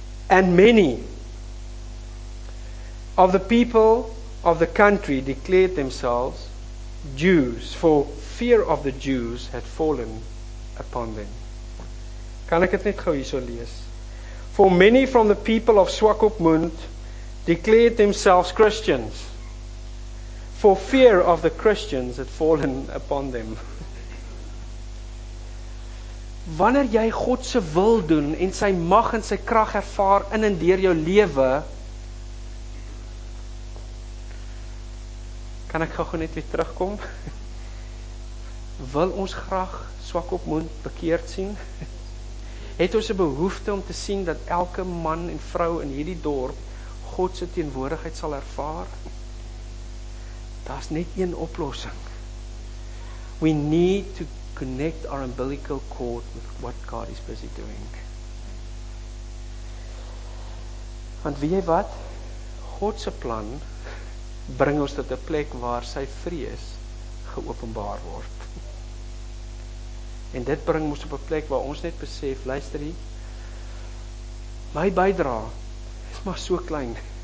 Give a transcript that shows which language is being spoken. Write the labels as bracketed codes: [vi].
[en] And many of the people of the country declared themselves Jews, for fear of the Jews had fallen upon them. [af] Kan ek het net gauw hier so lees? [en] For many from the people of Swakopmund declared themselves Christians, for fear of the Christians had fallen upon them. [af] Wanneer jy God se wil doen en sy mag en sy krag ervaar in en deur jou lewe, kan ek gou net weer terugkom? Wil ons graag swak op mond bekeerd sien? Het ons 'n behoefte om te sien dat elke man en vrou in hierdie dorp God se teenwoordigheid sal ervaar? Daar's net een oplossing. [en] We need to connect our umbilical cord with what God is busy doing. [af] Want weet jy wat? Godse plan bring ons tot 'n plek waar sy vrees geopenbaar word. En dit bring ons op 'n plek waar ons net besef, luister hier, my bydrae is maar so klein.